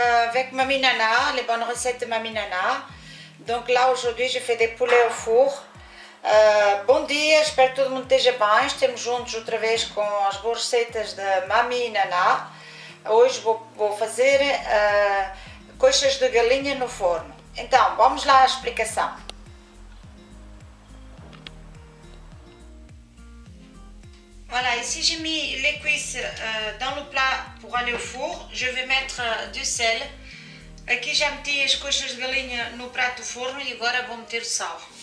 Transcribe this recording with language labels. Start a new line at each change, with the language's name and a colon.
French: avec Mamie Nana, les bonnes recettes de Mamie Nana. Donc là aujourd'hui je fais des poulets au four.
Portuguese: Bon dia,
French: j'espère que tout le monde
Portuguese: esteja bem. Estamos juntos outra vez com as boas receitas de Mamie Nana. Hoje vou fazer coxas de galinha no forno. Então, vamos lá à explicação.
French: Voilà, ici j'ai mis les cuisses dans le plat pour aller au four. Je vais mettre du sel.
Portuguese: Aqui já meti as coxas de galinha no prato do forno e agora vou meter o sal.